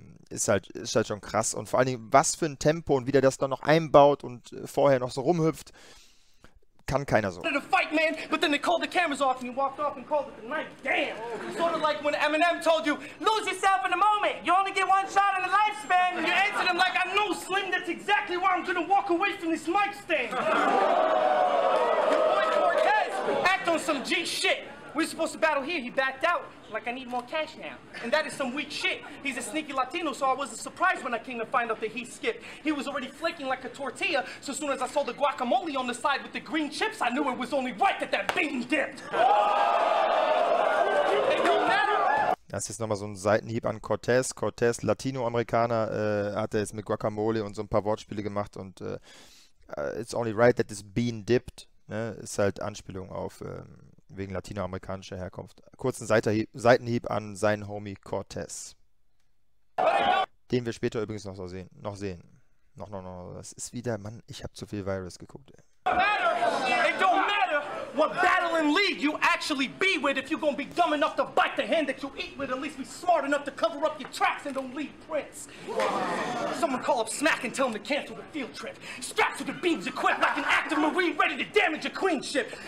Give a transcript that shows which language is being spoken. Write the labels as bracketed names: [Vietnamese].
[German] Ist halt schon krass und vor allen Dingen, was für ein Tempo und wie der das dann noch einbaut und vorher noch so rumhüpft, kann keiner so. [English] Fight, man, but then they called the cameras off and you walked off and called it the night. Damn! Sort of like when Eminem told you, lose yourself in a moment, you only get one shot in a lifespan, and you answered him like, I know, Slim, that's exactly why I'm gonna walk away from this mic stand. Your boy Cortez act on some G shit. We're supposed to battle here, he backed out. Like I need more cash now. And that is some weak shit. He's a sneaky Latino, so I wasn't surprised when I came to find out that he skipped. He was already flaking like a tortilla, so soon as I saw the guacamole on the side with the green chips, I knew it was only right that bean dipped. It don't matter. [German] Das ist jetzt nochmal so ein Seitenhieb an Cortez. Cortez, Latino-Amerikaner, hat er jetzt mit Guacamole und so ein paar Wortspiele gemacht und [English] it's only right that this bean dipped. [German] Ne? Ist halt Anspielung auf wegen latinoamerikanischer Herkunft. Kurzen Seitenhieb an seinen Homie Cortez. Den wir später übrigens noch so sehen. Noch sehen. Noch. Das ist wieder, Mann, ich habe zu viel Virus geguckt, ey. [English] It don't matter what battle and league you actually be with if you're gonna be dumb enough to bite the hand that you eat with, at least be smart enough to cover up your tracks and don't leave prints. Someone call up Smack and tell him to cancel the field trip. Straps with the beams equipped like an active marine ready to damage a queenship.